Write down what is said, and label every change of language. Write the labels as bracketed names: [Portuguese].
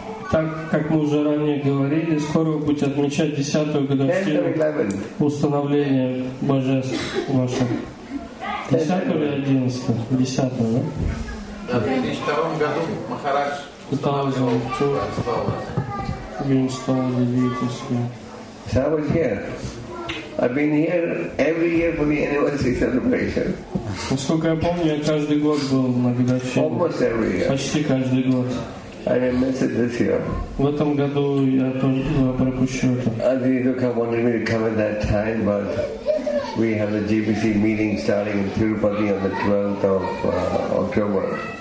[Russian] Как мы уже ранее говорили, скоро будет отмечать 10-ю годовщину установления божеств ваших. 10-ю или 11-ю? 10-ю, да? Да, в 2002 году Махарадж устанавливал все. Вин стал удивительским. [English] So I was here. I've been here every year for the anniversary celebration. [Russian] Насколько я помню, я каждый год был на годовщине. [English] Almost every year. [Russian] Почти каждый год. [English] I didn't miss it this year. [Russian] В этом году я тоже пропущу это. [English] Adhidhika wanted me to come at that time, but we have a GBC meeting starting in Tirupati on the 12th of October.